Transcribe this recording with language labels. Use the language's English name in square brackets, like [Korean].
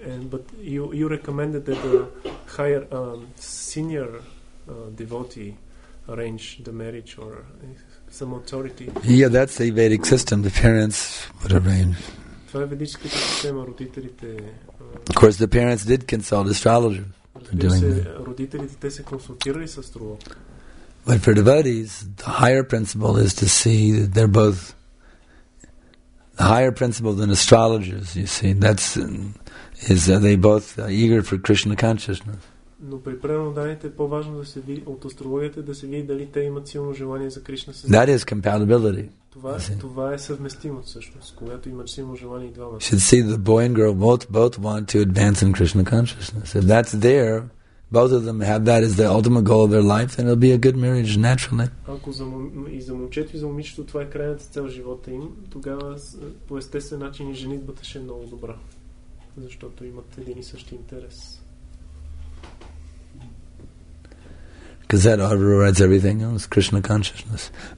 [English] But you recommended that the higher senior devotee arrange the marriage or some authority. Yeah, that's the Vedic system. The parents would arrange. [Bulgarian] Това е ведическата система, родителите. [English] Of course, the parents did consult astrologers for doing that. [Bulgarian] Родителите те се консултирали с астролог. [English] But for devotees, the higher principle is to see that they're both the higher principle than astrologers. You see, that's is that they both eager for Krishna consciousness. [Bulgarian] Но при преднодарените е по-важно да се види от астрологията да се види дали те имат силно желание за Кришна [English] съзнание. That is compatibility. [Bulgarian] Това е съвместимост всъщност, когато имаш силно желание и двамата. [English] Should see the boy and girl both want to advance in Krishna consciousness. If that's there, both of them have that as the ultimate goal of their life, then it'll be a good marriage naturally. [Bulgarian] Ако за момчето и за момичето това е крайната цел в живота им, тогава по естествен начин и женитбата ще е много добра. защото имат един и същи интерес. [English] Because that overrides everything else, Krishna consciousness.